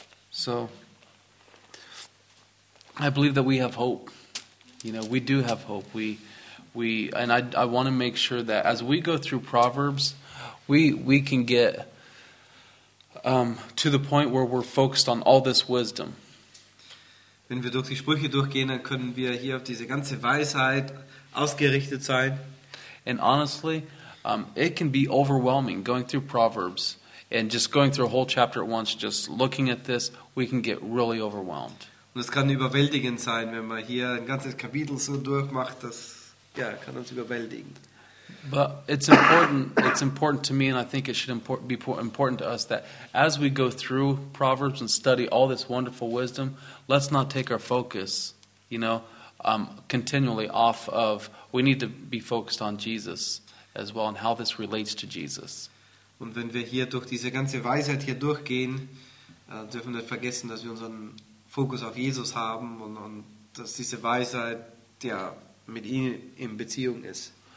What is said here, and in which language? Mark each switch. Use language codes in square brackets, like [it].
[en] So, I believe that we have hope. You know, we do have hope. I want to make sure that as we go through Proverbs, we can get to the point where we're focused on all this wisdom. [de] Wenn wir durch die Sprüche durchgehen, dann können wir hier auf diese ganze Weisheit ausgerichtet sein. [en] And honestly, it can be overwhelming going through Proverbs and just going through a whole chapter at once, just looking at this, we can get really overwhelmed. [de] Und es kann überwältigend sein, wenn man hier ein ganzes Kapitel so durchmacht, das ja, kann uns überwältigen. [en] But it's important to me, and I think it should be important to us, that as we go through Proverbs and study all this wonderful wisdom, let's not take our focus, you know, continually off of, we need to be focused on Jesus as well and how this relates to Jesus. [de] Und wenn wir hier durch diese ganze Weisheit hier durchgehen, dürfen wir nicht vergessen, dass wir unseren Fokus auf Jesus haben und dass diese Weisheit ja mit ihm in Beziehung ist.